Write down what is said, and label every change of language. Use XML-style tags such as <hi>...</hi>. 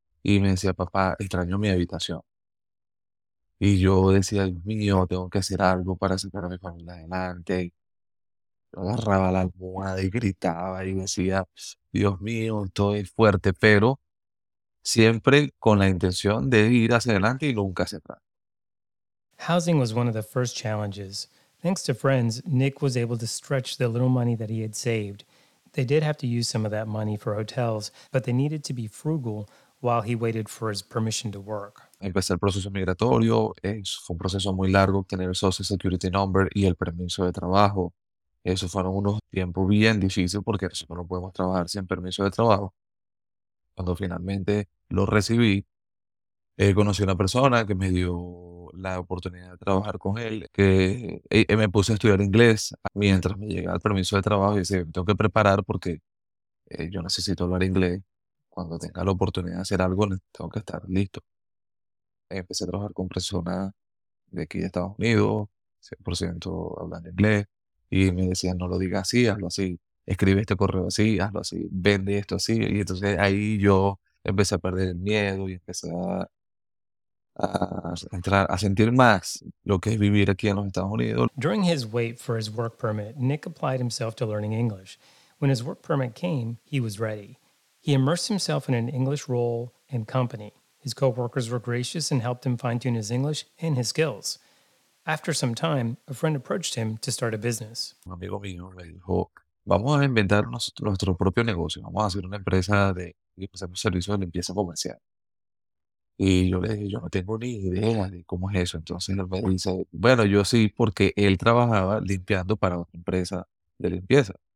<es>Y me decía, papá, extraño mi habitación. Y yo decía, Dios mío, tengo que hacer algo para sacar a mi familia adelante. Yo agarraba la almohada y gritaba y decía, Dios mío, estoy fuerte, pero siempre con la intención de ir hacia adelante y nunca hacia atrás.</es> <en>Housing was one of the first challenges. Thanks to friends, Nick was able to stretch the little money that he had saved. They did have to use some of that money for hotels, but they needed to be frugal while he waited for his permission to work.</en> <es>Empecé el proceso migratorio. Fue un proceso muy largo, obtener el Social Security Number y el permiso de trabajo. Esos fueron unos tiempos bien difíciles porque nosotros no podemos trabajar sin permiso de trabajo. Cuando finalmente lo recibí, conocí a una persona que me dio la oportunidad de trabajar con él, que me puse a estudiar inglés mientras me llegaba el permiso de trabajo y dice, me tengo que preparar porque yo necesito hablar inglés. Cuando tenga la oportunidad de hacer algo, tengo que estar listo. Empecé a trabajar con personas de aquí de Estados Unidos, 100% hablando inglés, y me decían, no lo digas así, hazlo así, escribe este correo así, hazlo así, vende esto así. Y entonces ahí yo empecé a perder el miedo y empecé a sentir más lo que es vivir aquí en los Estados Unidos.</es> <en>During his wait for his work permit, Nick applied himself to learning English. When his work permit came, he was ready. He immersed himself in an English role and company. His coworkers were gracious and helped him fine-tune his English and his skills. After some time, a friend approached him to start a business.</en> <es>Un amigo mío me dijo, vamos a inventar nuestro propio negocio. Vamos a hacer una empresa de servicios de limpieza comercial. Y yo le dije, yo no tengo ni idea de cómo es eso. Entonces él me dice, bueno, yo sí, porque él trabajaba limpiando para una empresa de limpieza.</es>